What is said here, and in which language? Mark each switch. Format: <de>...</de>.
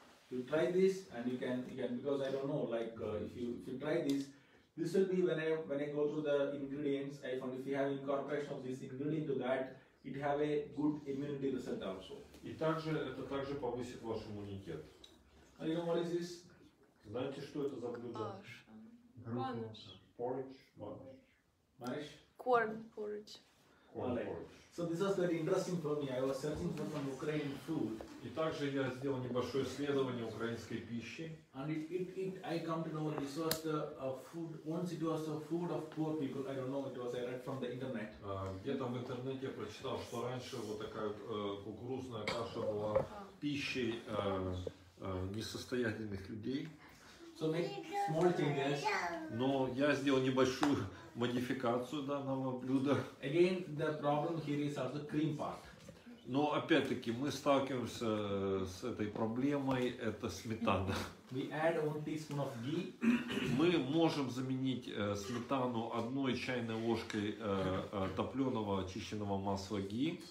<en>You try this and you can because I don't know, like if you try this, this will be when I go through the ingredients, I found if you have incorporation of this ingredient to that, it have a good immunity result also.</en> <ru>И также это также повысит ваш иммунитет.</ru> <en>And you know what is this?</en> <ru>Знаете, что это за блюдо? Ваниш.</ru> <en>Porridge, ваниш.</en> <ru>Ваниш?</ru> <en>Corn porridge. So this was very interesting for me. I was searching for some Ukrainian food.</en> <ru>И также я сделал небольшое исследование украинской пищи.</ru> <en>And it I come to know this was the food. Once it was the food of poor people. I don't know. It was I read from the internet.</en> <ru>Где-то в интернете я прочитал, что раньше вот такая кукурузная каша была пищей несостоятельных людей.</ru> <en>So make small changes.</en> <ru>Но я сделал небольшую модификацию данного блюда.</ru> <en>Again, the problem here is also cream part.</en> <ru>Но опять-таки мы сталкиваемся с этой проблемой, это сметана.</ru> <en>We add 1 teaspoon of ghee.</en> <ru>Мы можем заменить сметану 1 чайной ложкой топленого очищенного масла ghee.</ru>